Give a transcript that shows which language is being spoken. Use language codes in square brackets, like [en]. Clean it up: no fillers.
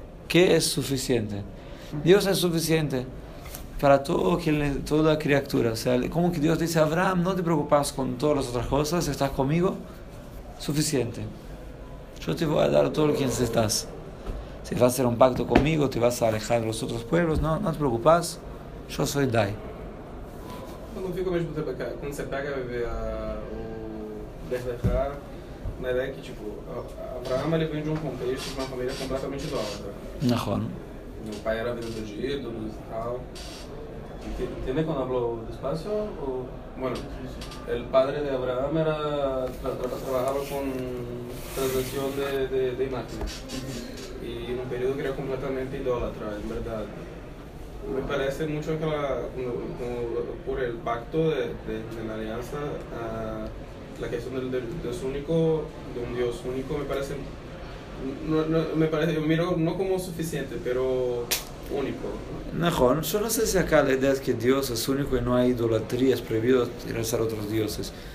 [es] ¿Qué es suficiente? Dios es suficiente para todo, toda criatura. O sea, como que Dios dice a Abraham, no te preocupes con todas las otras cosas, estás conmigo, suficiente. Yo te voy a dar todo lo que necesitas. Si vas a hacer un pacto conmigo, te vas a alejar de los otros pueblos, no, no te preocupes, yo soy Dai. [pt] Quando fica ao mesmo tempo, quando você pega o Berlechar, na ideia que, tipo, Abraham ele vem de um contexto de uma família completamente idólatra. Nahon. O pai era vendedor de ídolos e tal. Entende quando falou despacio? Bueno, o padre de Abraham era trabalhava com transação de imagens. E num período que era completamente idólatra, em verdade. [es] Me parece mucho que por el pacto de la alianza, la cuestión del Dios único, de un Dios único, me parece, yo miro no como suficiente, pero único. Nahon, yo no sé si acá la idea es que Dios es único y no hay idolatría, es prohibido rezar a otros dioses.